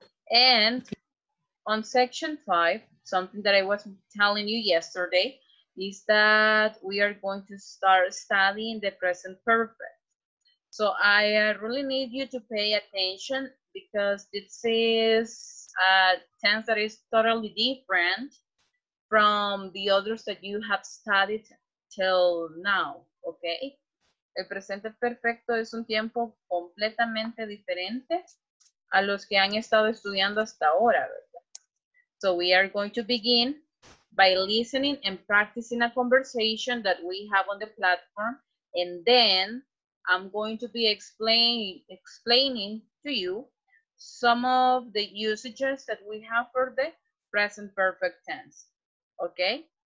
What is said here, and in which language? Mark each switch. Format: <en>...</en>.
<en>And on section 5, something that I was telling you yesterday is that we are going to start studying the present perfect. So I really need you to pay attention because this is a tense that is totally different from the others that you have studied till now, okay?</en> <es>El presente perfecto es un tiempo completamente diferente a los que han estado estudiando hasta ahora, ¿verdad?</es> <en>So we are going to begin by listening and practicing a conversation that we have on the platform, and then I'm going to be explaining to you some of the usages that we have for the present perfect tense, okay?</en>